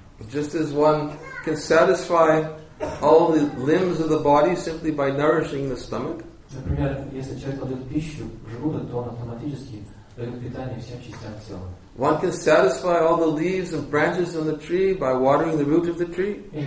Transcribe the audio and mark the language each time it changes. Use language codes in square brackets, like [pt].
[en] Just as one can satisfy all the limbs of the body simply by nourishing the stomach. [ru] Например, если человек кладет пищу в желудок, то он автоматически дает питание всем частям тела. [en] One can satisfy all the leaves and branches on the tree by watering the root of the tree.